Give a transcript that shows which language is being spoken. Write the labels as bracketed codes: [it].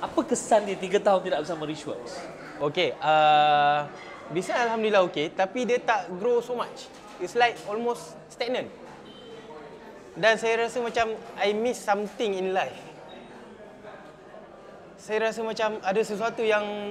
[ms] Apa kesan dia 3 tahun tidak bersama Richworks? Okey, bisa alhamdulillah okey, tapi dia tak [en] grow so much. It's like almost stagnant. [ms] Dan saya rasa macam [en] I miss something in life. [ms] Saya rasa macam ada sesuatu yang